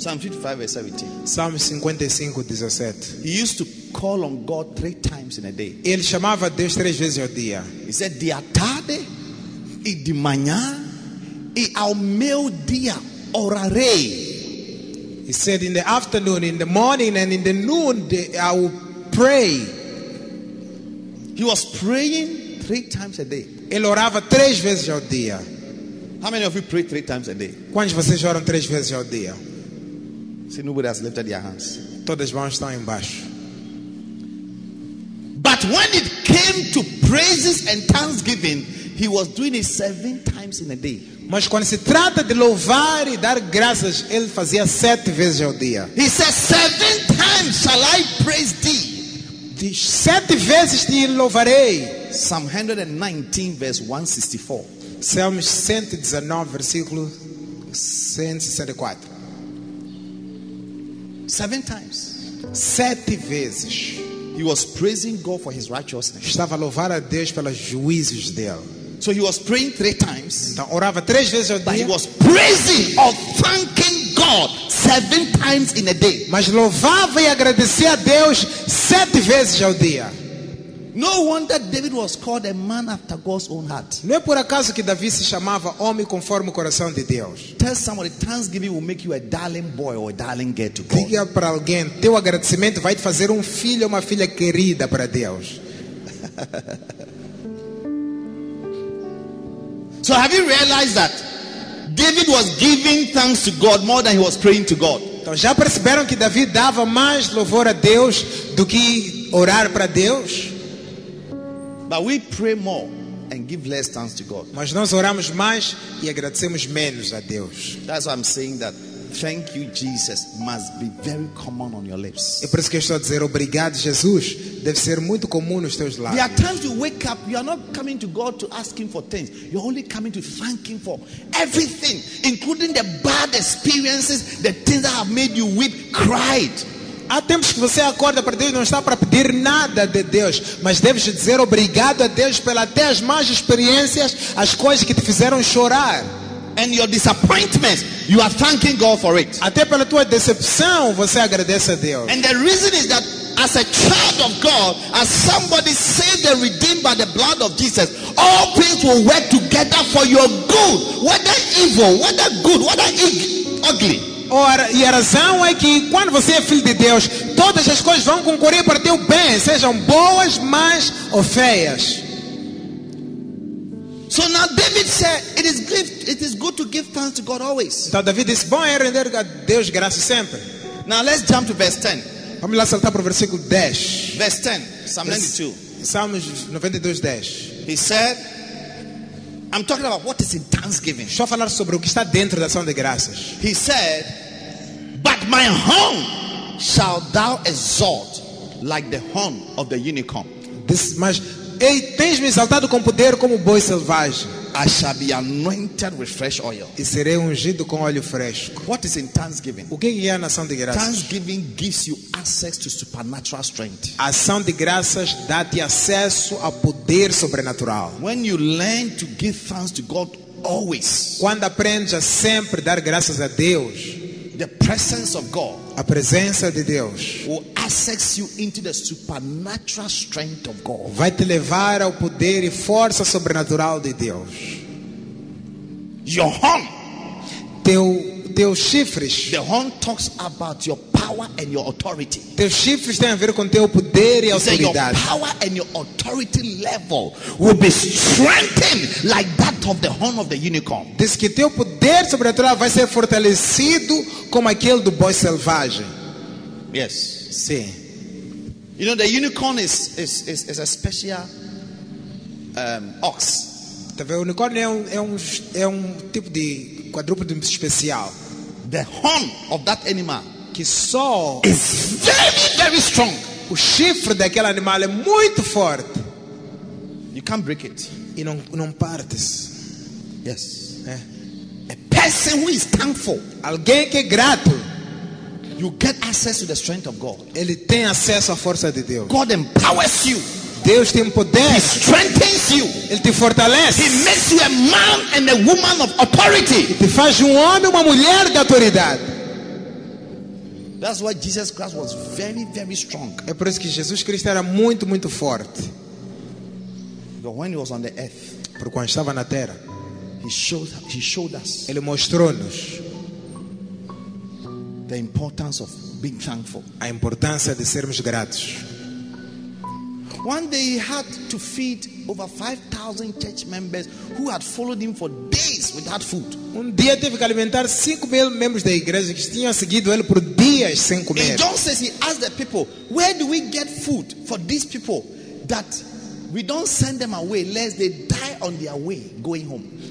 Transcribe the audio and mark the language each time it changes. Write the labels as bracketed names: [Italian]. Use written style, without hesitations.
[English] Psalm 55 verse 17. [Portuguese] Salmo 55 17. [English] He used to call on God 3 times in a day. [Portuguese] Ele chamava Deus 3 vezes ao dia. [English] He said, [Portuguese] "De tarde e de manhã e ao meio-dia orarei." [English] He said, "In the afternoon, in the morning, and in the noon, I will pray." He was praying 3 times a day. [Portuguese] Ele orava 3 vezes ao dia. [English] How many of you pray 3 times a day? [Portuguese] Quantos de vocês oram 3 vezes ao dia? [English] See, nobody has lifted their hands. [Portuguese] Todas as mãos estão embaixo. [English] But when it came to praises and thanksgiving, he was doing it 7 times in a day. [Portuguese] Mas quando se trata de louvar e dar graças, ele fazia 7 vezes ao dia. [English] He said, 7 times shall I praise thee. [Portuguese] Diz, 7 vezes te louvarei. [English] Psalm 119 verse 164. [Portuguese] Salmos 119 versículo 164. [English] 7 times. [Portuguese] 7 vezes. [English] He was praising God for His righteousness. [Portuguese] Estava a louvar a Deus pelos juízos dele. [English] So he was praying 3 times. [Portuguese] Então orava 3 vezes ao dia. [English] But he was praising or thanking God 7 times in a day. [Portuguese] Mas louvava e agradecia a Deus 7 vezes ao dia. [English] No wonder David was called a man after God's own heart. [Portuguese] Não é por acaso que Davi se chamava homem conforme o coração de Deus. [English] Tell somebody, thanksgiving will make you a darling boy or a darling girl to God. [Portuguese] Diga para alguém, teu agradecimento vai te fazer filho ou uma filha querida para Deus. [English] So have you realized that David was giving thanks to God more than he was praying to God? [Portuguese] Então já perceberam que Davi dava mais louvor a Deus do que orar para Deus? [English] But we pray more and give less thanks to God. [Portuguese] Mas nós oramos mais e agradecemos menos a Deus. [English] That's why I'm saying that thank you Jesus must be very common on your lips. [Portuguese] É por isso que eu estou a dizer obrigado Jesus deve ser muito comum nos teus lábios. [English] There are times you wake up, you are not coming to God to ask Him for things. You're only coming to thank Him for everything, including the bad experiences, the things that have made you weep, cried. [Portuguese] Há tempos que você acorda para Deus e não está para pedir nada de Deus, mas deves dizer obrigado a Deus pelas até as más experiências, as coisas que te fizeram chorar. [English] And your disappointments, you are thanking God for it. [Portuguese] Até pela tua decepção, você agradece a Deus. [English] And the reason is that as a child of God, as somebody saved and redeemed by the blood of Jesus, all things will work together for your good, whether evil, whether good, whether ugly. [Portuguese] Ora, e a razão é que quando você é filho de Deus, todas as coisas vão concorrer para teu bem, sejam boas, más ou feias. [English] So now David said, it is good to give thanks to God always. [Portuguese] Então David disse, bom é render a Deus graças sempre. [English] Now let's jump to verse 10. [Portuguese] Vamos lá saltar para o versículo 10. [English] Verse 10, Psalm 92. [Portuguese] Salmos 92:10. [English] He said, I'm talking about what is in thanksgiving. [Portuguese] Só falar sobre o que está dentro da ação de graças. [English] He said, but my horn shall thou exalt like the horn of the unicorn. [Portuguese] This, mas ei, tens-me exaltado com poder como o boi selvagem. [English] I shall be anointed with fresh oil. [Portuguese] E serei ungido com óleo fresco. [English] What is in thanksgiving? [Portuguese] O que é a ação de graças? [English] Thanksgiving gives you access to supernatural strength. [Portuguese] A ação de graças dá-te acesso a poder sobrenatural. [English] When you learn to give thanks to God always. [Portuguese] Quando aprendes a sempre dar graças a Deus. [English] The presence of God. [Portuguese] A presença de Deus [English] will access you into the supernatural strength of God. [Portuguese] Vai te levar ao poder e força sobrenatural de Deus. [English] Your horn, [Portuguese] teu chifres. [English] The horn talks about your power and your authority. [Portuguese] Teu chifres tem a ver com teu poder e [English] he [Portuguese] autoridade. [English] Said your power and your authority level will be strengthened like that of the horn of the unicorn. [Portuguese] Diz que teu poder sobrenatural vai ser fortalecido como aquele do boi selvagem. [English] Yes. [Portuguese] Sim. [English] You know the unicorn is a special ox. [Portuguese] Tá vendo? O unicórnio é um tipo de quadrúpede especial. [English] The horn of that animal [Portuguese] que só [English] is very very strong. [Portuguese] O chifre daquele animal é muito forte. [English] You can't break it. [Portuguese] E não partes. [English] Yes. [Portuguese] É. [English] Person who is thankful, [Portuguese] alguém que é grato, [English] you get access to the strength of God. [Portuguese] Ele tem acesso à força de Deus. [English] God empowers you. [Portuguese] Deus tem poder. [English] He strengthens you. [Portuguese] Ele te fortalece. [English] He makes you a man and a woman of authority. [Portuguese] Ele te faz homem e uma mulher de autoridade. [English] That's why Jesus Christ was very, very strong. [Portuguese] É por isso que Jesus Cristo era muito, muito forte. [English] But when he was on the earth, [Portuguese] por quando estava na Terra. [English] He showed us. [Portuguese] Ele mostrou-nos [English] the importance of being thankful. [Portuguese] A importância de sermos gratos. [English] One day he had to feed over 5,000 church members who had followed him for days without food. [Portuguese] Um dia teve que alimentar 5,000 membros da igreja que tinham seguido ele por dias sem comer. [English] And John says he asked the people, "Where do we get food for these people that we don't send them away lest they die on their way going home?"